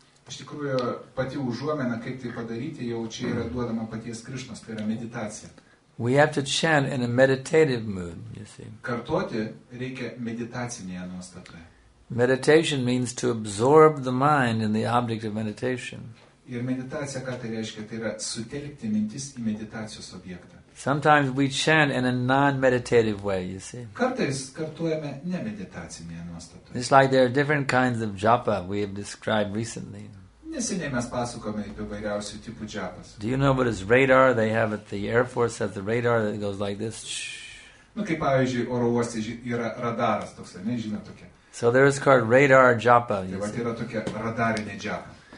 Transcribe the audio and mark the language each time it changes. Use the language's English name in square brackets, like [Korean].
[Lithuanian] Iš tikrųjų, pati užuomena, kaip tai padaryti, jau čia yra duodama paties Krišnos, tai yra meditacija. [English] We have to chant in a meditative mood, you see. [Lithuanian] Kartoti reikia meditacinėje nuostatoje. [English] Meditation means to absorb the mind in the object of meditation. [Lithuanian] Ir meditacija, ką tai reiškia, tai yra sutelkti mintis į meditacijos objektą. [English] Sometimes we chant in a non-meditative way, you see. [Lithuanian] Kartais kartuojame nemeditacinėje nuostatoje. [English] It's like there are different kinds of japa we have described recently. [Lithuanian] Neseniai mes pasakome apie vairiausių tipų džapas. [English] Do you know what is radar? They have at the Air Force has the radar that goes like this. [Lithuanian] Nu, kaip pavyzdžiui, oro uoste yra radaras toks, nežinau tokia. [English] So there is called radar japa. [Lithuanian] Tai yra tokia radarinė džapa.